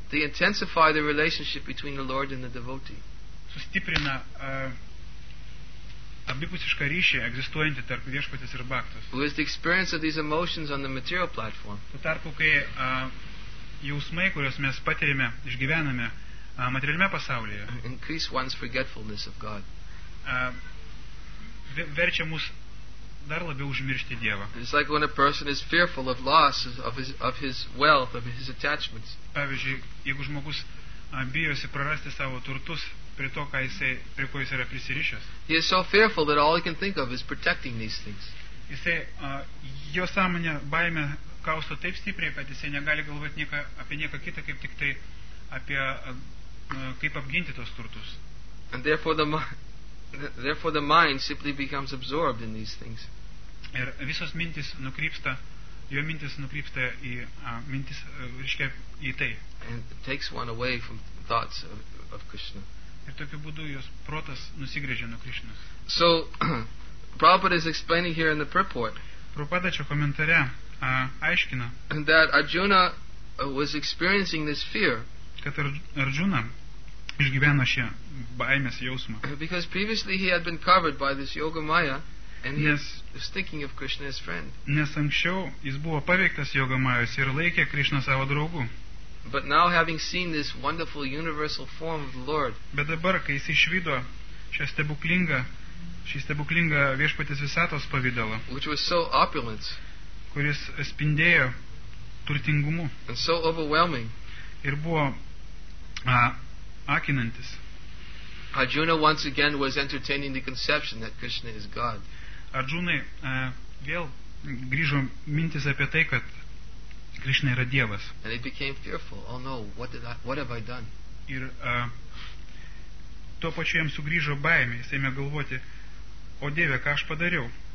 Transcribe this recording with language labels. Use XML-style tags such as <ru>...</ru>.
<en>They intensify the relationship between the Lord and the devotee.</en> <lt>Sustiprina abipusišką ryšį egzistuojantį tarp viešpatės ir bhaktos.</lt> <en>Who is the experience of these emotions on the material platform?</en> <lt>Tuo tarpu, kai jausmai, kuriuos mes patiriame, išgyvename materialiame pasaulyje,</lt> <en>increase one's forgetfulness of God.</en> <lt>Verčia mus dar labiau užmiršti Dievą.</lt> <en>It's like when a person is fearful of loss of his wealth, of his attachments.</en> <lt>Pavyzdžiui, jeigu žmogus bijosi prarasti savo turtus prie to, ką jisai, prie ko jis yra prisirišęs.</lt> <en>He is so fearful that all he can think of is protecting these things.</en> <lt>Jisai, jo sąmonė baimė kausto taip stipriai, kad jisai negali galvoti nieko, apie nieką kitą, kaip tik tai apie kaip apginti tos turtus.</lt> <en>And therefore the mind simply becomes absorbed in these things.</en> <lt>Ir visos mintys nukrypsta, jo mintys nukrypsta į mintis, reiškia, į tai.</lt> <en>And it takes one away from thoughts of Krishna.</en> <lt>Ir tokiu būdu jos protas nusigrėžia nuo Krishna.</lt> <en>So Prabhupada is explaining here in the purport.</en> <lt>Prabhupada čia komentare aiškina,</lt> <en>that Arjuna was experiencing this fear.</en> <lt>Kad Arjuna išgyveno šią baimės jausmą.</lt> <en>Because previously he had been covered by this yoga maya. And he was thinking of Krishna as friend.</en> <lt>Nes anksčiau jis buvo paveiktas yoga majos ir laikė Krishna savo draugu.</lt> <en>But now having seen this wonderful universal form of the Lord.</en> <lt>Bet dabar kai jis išvydo šią stebuklingą, šį stebuklingą viešpatės visatos pavidalą.</lt> <en>Which was so opulent.</en> <lt>Kuris spindėjo turtingumu.</lt> <en>And so overwhelming.</en> <lt>Ir buvo akinantis.</lt> <en>Arjuna once again was entertaining the conception that Krishna is God.</en> <lt>Arjunai vėl grįžo mintis apie tai, kad Krishna yra Dievas.</lt> <en>And he became fearful. Oh no, what have I done?</en> <lt>Ir tuo pačiu jam sugrįžo baimė. Jis ėmė galvoti, o Dieve, ką aš padariau?</lt>